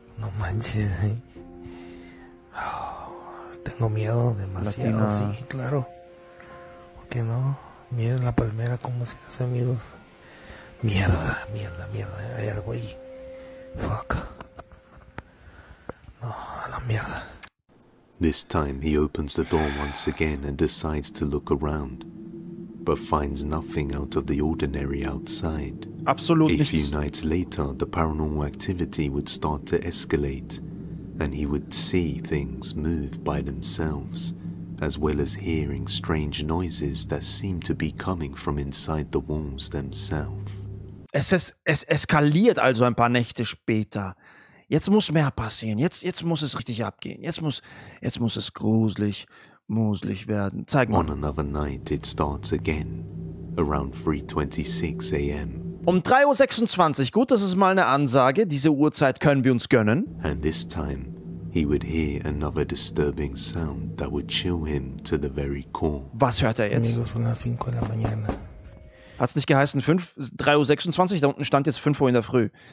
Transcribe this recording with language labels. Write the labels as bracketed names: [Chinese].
[Spanish] No manches, tengo miedo demasiado, Latina. Sí, claro, ¿por qué no? Miren la palmera cómo se hace, amigos, mierda, hay algo ahí, fuck, no, a la mierda. [English] This time he opens the door once again and decides to look around, but finds nothing out of the ordinary outside. [German] Absolut a nichts. [English] Few nights later, the paranormal activity would start to escalate, and he would see things move by themselves, as well as hearing strange noises that seemed to be coming from inside the walls themselves. [German] Es eskaliert also ein paar Nächte später. Jetzt muss mehr passieren. Jetzt muss es richtig abgehen. Jetzt muss es gruselig. Muselig werden. Zeig mal. [English] On another night it starts again, around 3:26 a.m. [German] Um 3.26 Uhr, gut, das ist mal eine Ansage, diese Uhrzeit können wir uns gönnen. [English] And this time he would hear another disturbing sound that would chill him to the very core. [German] Was hört er jetzt? Hat's nicht geheißen 3.26 Uhr, da unten stand jetzt 5 Uhr in der Früh.